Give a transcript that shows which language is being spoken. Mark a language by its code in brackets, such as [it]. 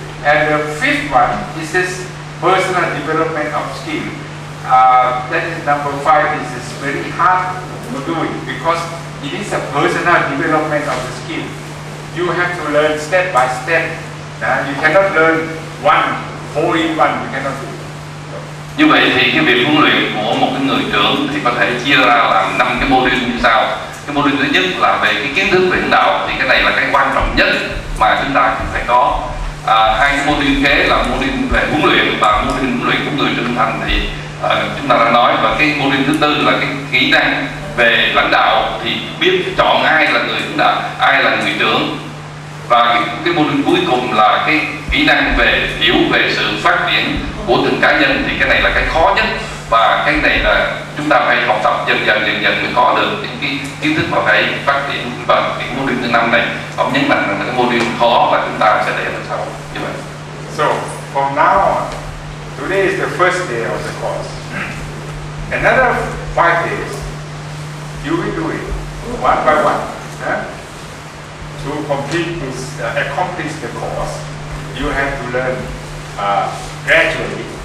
[en] And the fifth one is this personal development of skill. That is number five. This is very hard to do it because it is a personal development of the skill. You have to learn step by step. You cannot learn one, four in one, you cannot do it. [vi] Như vậy thì cái việc huấn luyện của một cái người trưởng thì có thể chia ra làm năm cái module như sau. cái module thứ nhất là về cái kiến thức về lãnh đạo, thì cái này là cái quan trọng nhất mà chúng ta cũng phải có. Hai cái module kế là module về huấn luyện và module huấn luyện của người trưởng thành thì chúng ta đã nói. Và cái module thứ tư là cái kỹ năng về lãnh đạo, thì biết chọn ai là người lãnh đạo, ai là người trưởng. Và cái module cuối cùng là cái kỹ năng về hiểu về sự phát triển của từng cá nhân, thì cái này là cái khó nhất. Và cái này là chúng ta phải học tập dần dần mới có được những cái kiến thức mà phải phát triển. Và cái mô hình thứ năm này, ông nhấn mạnh là cái mô hình khó và chúng ta sẽ để làm sao như vậy. [en] So, from now on, today is the first day of the course. Another 5 days, you will do it one by one. To complete this, accomplish the course, you have to learn gradually.